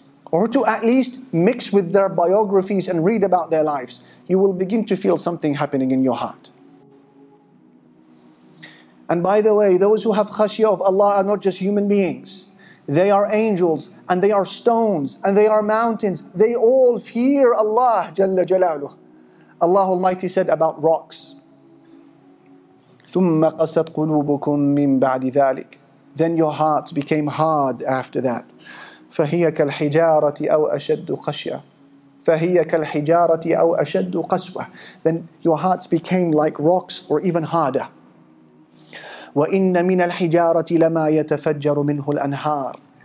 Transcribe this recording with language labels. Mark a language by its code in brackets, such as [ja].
[en] Or to at least mix with their biographies and read about their lives. You will begin to feel something happening in your heart. And by the way, those who have khashya of Allah are not just human beings. They are angels, and they are stones, and they are mountains. They all fear Allah Jalla Jalaluhu. [ar] Allah Almighty said about rocks, ثُمَّ قَسَتْ قُلُوبُكُمْ مِنْ بَعْدِ ذَلِكَ. [en] Then your hearts became hard after that. [ar] فَهِيَ كَالْحِجَارَةِ أَوْ أَشَدُّ قَشْيَةً. فَهِيَ كَالْحِجَارَةِ أَوْ أَشَدُّ قَسْوَةً. [en] Then your hearts became like rocks or even harder. [ar] وَإِنَّ مِنَ الْحِجَارَةِ لَمَا يَتَفَجَّرُ مِنْهُ الْأَنْهَارُ.